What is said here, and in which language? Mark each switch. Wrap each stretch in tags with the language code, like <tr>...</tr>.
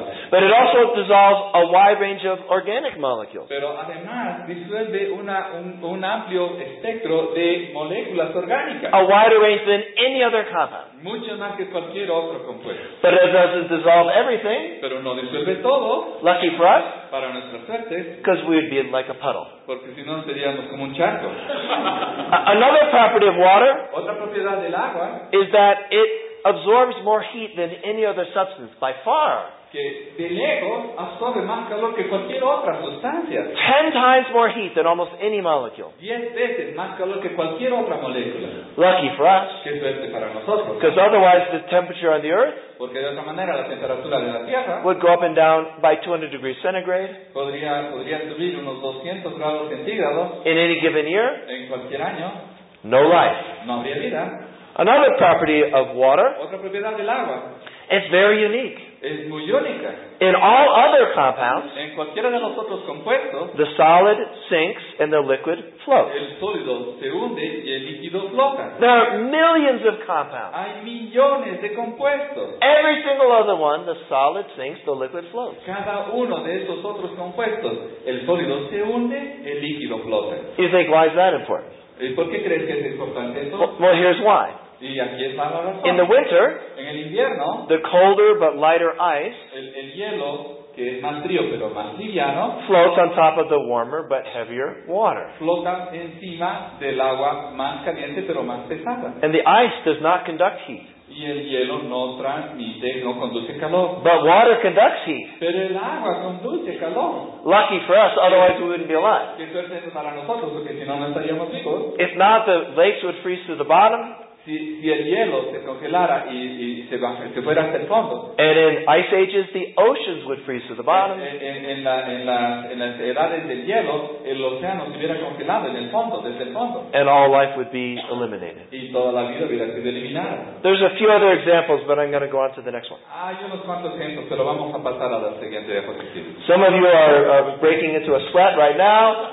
<en>But it also dissolves a wide range of organic molecules.</en> <es>Pero además disuelve un amplio espectro de moléculas orgánicas.</es> <en>A wider range than any other compound.</en> <es>Mucho más que cualquier otro compuesto.</es> <en>But it doesn't dissolve everything.</en> <es>Pero no disuelve todo.</es> <en>Lucky for us.</en> <es>Para nuestra suerte.</es> <en>Because we would be like a puddle.</en> <es>Porque si no seríamos como un charco.</es> <en>Another property of water.</en> <es>Otra propiedad del agua.</es> <en>Is that it absorbs more heat than any other substance by far.</en> <es>Que de lejos absorbe más calor que cualquier otra sustancia.</es> <en>10 times more heat than almost any molecule.</en> <es>10 veces más calor que cualquier otra molécula.</es> <en>Lucky for us.</en> <es>Qué suerte para nosotros.</es> <en>Because otherwise the temperature on the earth,</en> <es>porque de otra manera la temperatura de la tierra,</es> <en>would go up and down by 200 degrees centigrade.</en> <es>Podría subir unos 200 grados centígrados.</es> <en>In any given year.</en> <es>En cualquier año.</es> <en>No life.</en> <es>No habría vida.</es> <en>Another property of water.</en> <es>Otra propiedad del agua.</es> <en>It's very unique.</en> <es>Es muy única.</es> <en>In all other compounds,</en> <es>en cualquiera de los otros compuestos,</es> <en>the solid sinks and the liquid floats.</en> <es>El sólido se hunde y el líquido flota.</es> <en>There are millions of compounds.</en> <es>Hay millones de compuestos.</es> <en>Every single other one, the solid sinks, the liquid floats.</en> <es>Cada uno de esos otros compuestos, el sólido se hunde, el líquido flota.</es> <en>You think, why is that important?</en> <es>¿Y por qué crees que es importante eso?</es> <en>Well, here's why.</en> <es>Y aquí está la razón.</es> <en>In the winter,</en> <es>en el invierno,</es> <en>the colder but lighter ice,</en> <es>el hielo, que es más frío pero más liviano,</es> <en>floats on top of the warmer but heavier water.</en> <es>Flota encima del agua más caliente pero más pesada.</es> <en>And the ice does not conduct heat.</en> <es>Y el hielo no transmite, no conduce calor.</es> <en>But water conducts heat.</en> <es>Pero el agua conduce calor.</es> <en>Lucky for us, otherwise we wouldn't be alive.</en> <es>Qué suerte es para nosotros, porque si no, no estaríamos vivos.</es> <en>If not, the lakes would freeze to the bottom.</en> <es>Si el hielo se congelara y se fuera hasta el fondo.</es> <en>And in ice ages, the oceans would freeze to the bottom.</en> <es>En las edades del hielo, el océano se hubiera congelado en el fondo, desde el fondo.</es> <en>And all life would be eliminated.</en> <es>Y toda la vida hubiera sido eliminada.</es> <en>There's a few other examples, but I'm going to go on to the next one.</en> <es>Hay unos cuantos ejemplos, pero vamos a pasar a la siguiente diapositiva.</es> <en>Some of you are breaking into a sweat right now.</en>